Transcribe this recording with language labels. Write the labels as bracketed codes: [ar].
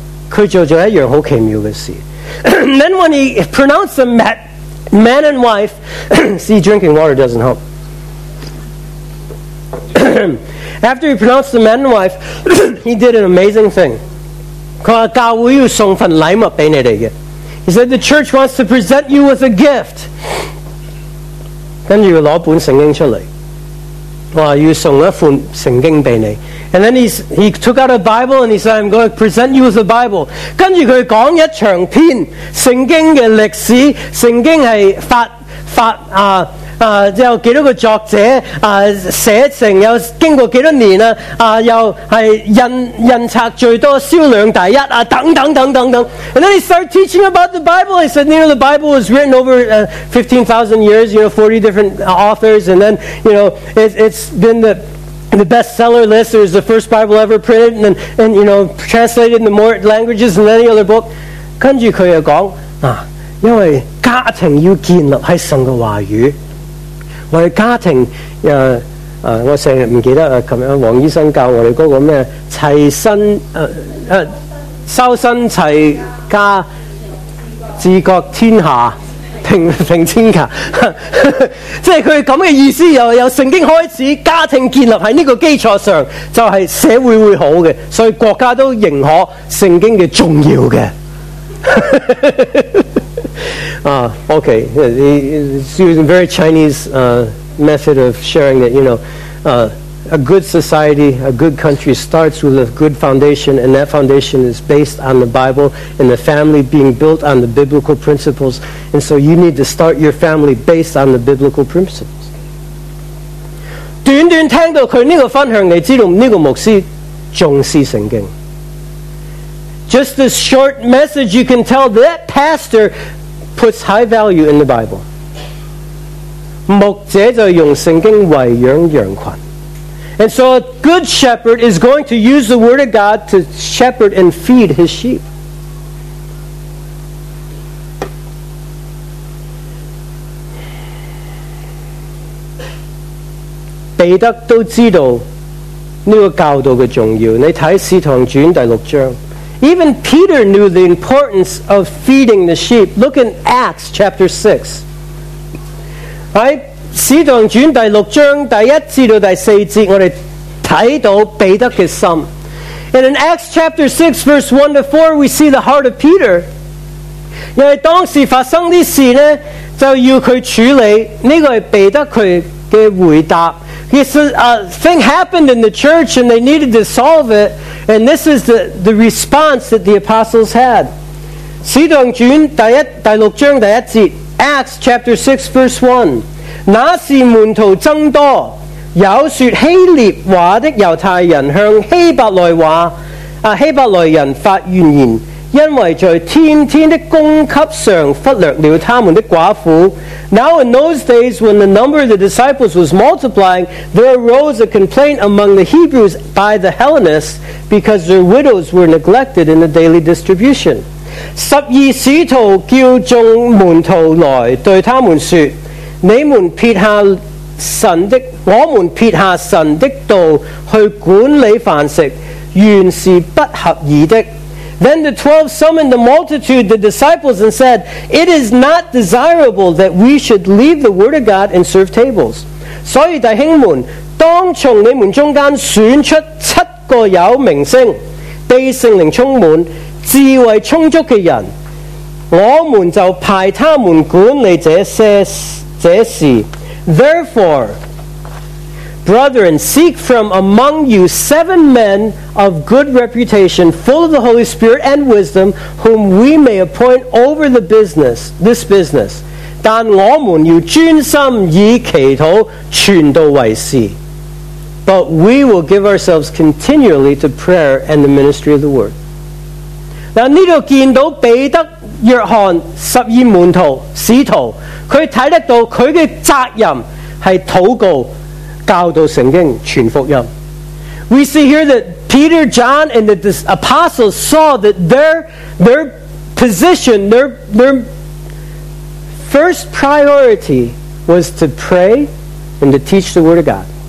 [yue] 他做了一件很奇妙的事。 [en] Then when he pronounced them man and wife, see, drinking water doesn't help. After he pronounced them man and wife, he did an amazing thing. [yue] 他说教会要送份礼物给你们的。 [en] He said, the church wants to present you with a gift. [yue] 跟着要拿本圣经出来，说要送一份圣经给你。 [en] And then he took out a Bible and he said, I'm going to present you with a Bible. [yue] 跟着他讲一长篇圣经的历史，圣经是有几多个作者写成，又经过几多年又是印刷最多，销量第一等等等等等。 [en] And then he started teaching about the Bible. He said, you know, the Bible was written over 15,000 years, you know, 40 different authors, and then, you know, it's been the bestseller list. It was the first Bible ever printed and you know, translated into more languages than any other book. [yue] 跟着他又讲因为家庭要建立在神的话语，我哋家庭，我成日唔記得啊！琴日黃醫生教我哋嗰個咩齊身，修身齊家，治國天下，平天下，即係佢咁嘅意思。由聖經開始，家庭建立喺呢個基礎上，就係社會會好嘅。所以國家都認可聖經嘅重要嘅。 [en] okay, he was a very Chinese method of sharing that, you know, a good society, a good country starts with a good foundation, and that foundation is based on the Bible and the family being built on the biblical principles, and so you need to start your family based on the biblical principles. [yue] 短短听到他这个分享，你知道这个牧师重视圣经。 [en] Just this short message, you can tell that pastor puts high value in the Bible. [yue] 牧者就用圣经为养羊群。 [en] And so a good shepherd is going to use the word of God to shepherd and feed his sheep. [yue] 彼得都知道这个教导的重要。你看《使徒行传》第六章。 [en] Even Peter knew the importance of feeding the sheep. Look in Acts chapter 6. Right? [yue] 使徒行传第六章第一至到第四节，我们看到彼得的心。 [en] And in Acts chapter 6, verse 1 to 4, we see the heart of Peter. [yue] 因为当时发生的事呢，就要他处理。这个是彼得他的回答。 [en] He says, a thing happened in the church and they needed to solve it. And this is the response that the apostles had. [yue] 使徒行传第六章第一节， [en] Acts chapter 6 verse 1. [yue] 那时门徒增多，有说希律话的犹太人向希伯来人发怨言，因为在天天的供给上忽略了他们的寡妇。 [en] Now in those days when the number of the disciples was multiplying, there arose a complaint among the Hebrews by the Hellenists because their widows were neglected in the daily distribution. [yue] 十二使徒叫众门徒来对他们说，我们撇下神的道去管理饭食，原是不合宜的。 [en] Then the 12 summoned the multitude, the disciples, and said, It is not desirable that we should leave the word of God and serve tables. [yue] 所以弟兄们，当从你们中间选出七个有名声、被圣灵充满、智慧充足的人，我们就派他们管理这事。 [en] Therefore, brethren, seek from among you seven men of good reputation, full of the Holy Spirit and wisdom, whom we may appoint over this business. [yue] 但我们要专心以祈祷传道为事。 [en] But we will give ourselves continually to prayer and the ministry of the word. [yue] 嗱，呢度见到彼得、约翰、十二门徒、使徒，佢睇得到佢嘅责任系祷告。教导圣经，传福音。 [en] We see here that Peter, John, and the apostles saw that their position, their first priority was to pray and to teach the word of God.